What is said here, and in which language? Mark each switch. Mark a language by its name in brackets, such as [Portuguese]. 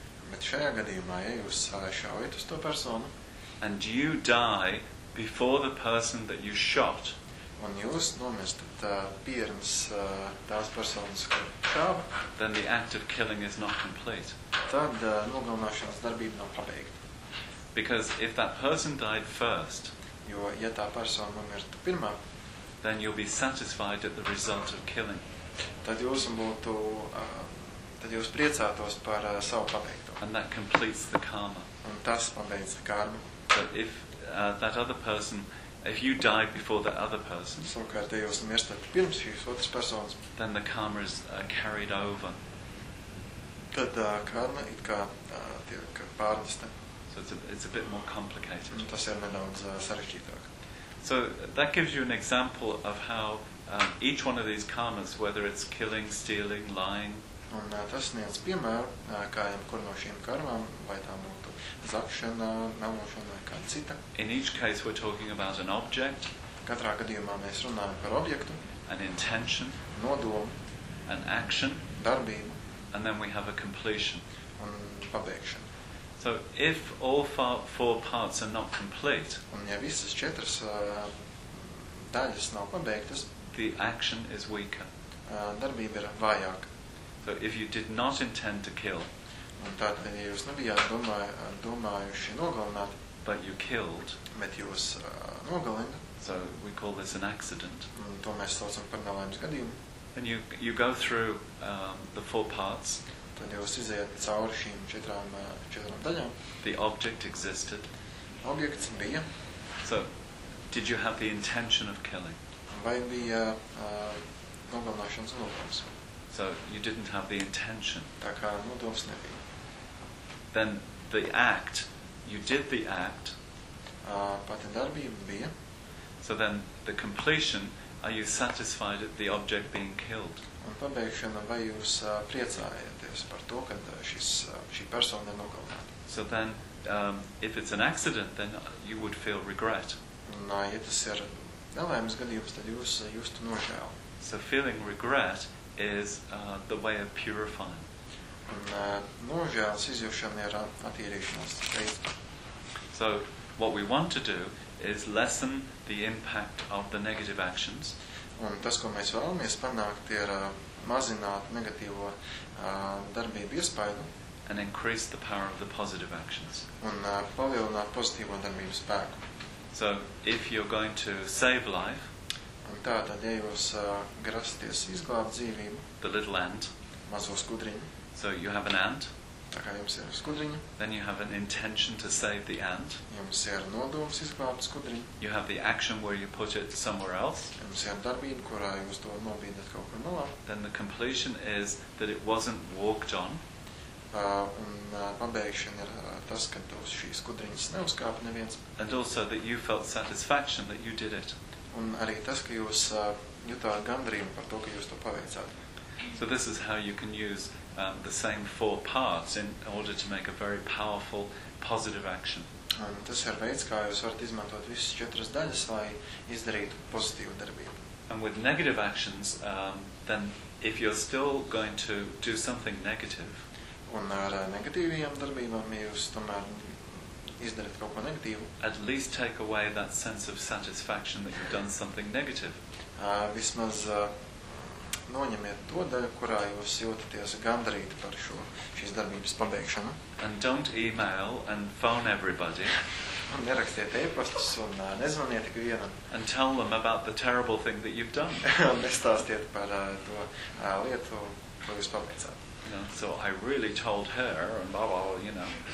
[Latvian] bet šajā gadījumā, ja jūs šaujat uz to personu, [English] and you die before the person that you shot, [Latvian] un jūs nomirstat pirms tās personas, kur šāva, [English] then the act of killing is not complete. [Latvian] Tad nogalināšanas darbība nav pabeigta. [English] Because if that person died first, [Latvian] jo, ja tā persona numirta pirmā, [English] then you'll be satisfied at the result of killing. [Latvian] Tad jūs būtu, tad jūs priecātos par savu pabeigto. [English] And that completes the karma. [Latvian] Un tas pabeidz karmu. [English] But if that other person, if you died before that other person, [Latvian] savukārt, ja jūs mirstat pirms šīs otras personas, [English] then the karma is carried over. [Latvian] Tad karma it kā tiek pārnesta. [English] It's a bit more complicated. [Latvian] Tas ir nedaudz sarežģītāk. [English] So that gives you an example of how each one of these karmas, whether it's killing, stealing, lying. [Latvian] Un tas sniedz piemēru, kā jebkur no šīm karmām, vai tā būtu zagšana, melošana, kā cita. [English] In each case we're talking about an object. [Latvian] Katrā gadījumā mēs runājam par objektu. [English] An intention. [Latvian] Nodomu. [English] An action. [Latvian] Darbību. [English] And then we have a completion. [Latvian] Un pabeigšanu. [English] So if all four parts are not complete, [Latvian] un ja visas četras daļas nav pabeigtas, [English] the action is weaker. [Latvian] Darbība ir vājāka. [English] So if you did not intend to kill, [Latvian] un tātad, ja jūs nebijāt domājuši nogalināt, [English] but you killed, [Latvian] bet jūs nogalināt, [English] So we call this an accident. [Latvian] To mēs saucam par nelaimes gadījumu. [English] And you go through the four parts. [Latvian] Tad jūs iziet cauri šīm četrām daļām. [English] The object existed. [Latvian] Objekts bija. [English] So, did you have the intention of killing? [Latvian] Vai bija nogalināšanas nodoms? [English] So, you didn't have the intention. [Latvian] Tā kā nodoms nebija. [English] Then the act, you did the act. [Latvian] Pati darbība bija. [English] So then the completion, are you satisfied at the object being killed? [Latvian] Un pabeigšana, vai jūs priecājaties par to, kad šī persona ir nogalināta? [English] So then, if it's an accident, then you would feel regret. [Latvian] Nā, ja tas ir nelaimes gadījums, tad jūs justu nožēlu. [English] So feeling regret is the way of purifying. [Latvian] Nožēlas izjūšana ir attīrīšanās. [English] So what we want to do is lessen the impact of the negative actions. [Latvian] Un tas, ko mēs vēlamies panākt, ir mazināt negatīvo darbību iespaidu. [English] And increase the power of the positive actions. [Latvian] Un palielināt pozitīvo darbību spēku. [English] So if you're going to save life, [Latvian] un tātad, ja jūs grasties izglābt dzīvību, [English] the little ant, [Latvian] mazo skudriņu, [English] so you have an ant, [Latvian] tā kā jums ir skudriņa, [English] then you have an intention to save the ant, [Latvian] jums ir nodoms izglābt skudriņu, [English] you have the action where you put it somewhere else, [Latvian] jums ir darbība, kurā jūs to nobīdat kaut kur malā, [English] then the completion is that it wasn't walked on, [Latvian] Pabeigšana ir tas, ka tos šīs skudriņas neuzkāpa neviens. [English] And also that you felt satisfaction that you did it. [Latvian] Un arī tas, ka jūs jutāt gandarījumu par to, ka jūs to paveicāt. [English] So this is how you can use the same four parts in order to make a very powerful positive action. [Latvian] Un tas ir veids, kā jūs varat izmantot visas četras daļas, lai izdarītu pozitīvu darbību. [English] And with negative actions, then if you're still going to do something negative, [Latvian] un ar negatīvajām darbībām jūs tomēr izdarīt kaut ko negatīvu. [English] At least take away that sense of satisfaction that you've done something negative. [Latvian] Vismaz noņemiet to daļu, kurā jūs jūtaties gandarīti par šo šīs darbības pabeigšanu. [English] And don't email and phone everybody. [Latvian] Un nerakstiet e-pastus un nezvaniet tik vienam. [English] And tell them about the terrible thing that you've done. [Latvian] Un nestāstiet par to lietu, ko jūs pabeicāt. [English] You know, so I really told her, and blah, blah, blah, you know.